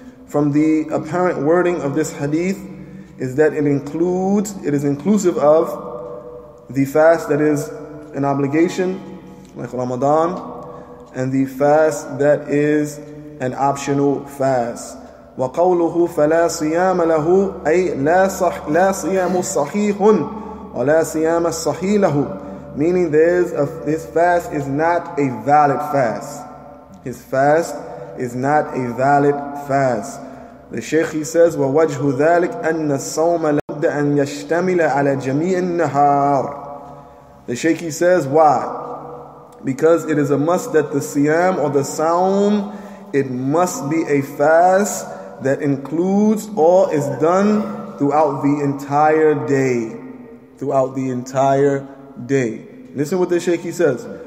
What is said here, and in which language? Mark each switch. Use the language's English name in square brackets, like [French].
[English] From the apparent wording of this hadith is that it is inclusive of the fast that is an obligation like Ramadan and the fast that is an optional fast. [Arabic] وقوله فلا صيام له أي لا صيام صحيح ولا صيام صحيح له, [English] meaning this fast is not a valid fast. His fast is not a valid fast. The Shaykh, he says, [Arabic] وَوَجْهُ ذَلِكْ أَنَّ الصَّوْمَ لَبْدَ أَنْ يَشْتَمِلَ عَلَى جَمِيعِ النَّهَارِ. [English] The Shaykh, he says, why? Because it is a must that the siyam or the saum, it must be a fast that includes or is done throughout the entire day. Throughout the entire day. Listen what the Shaykh, he says.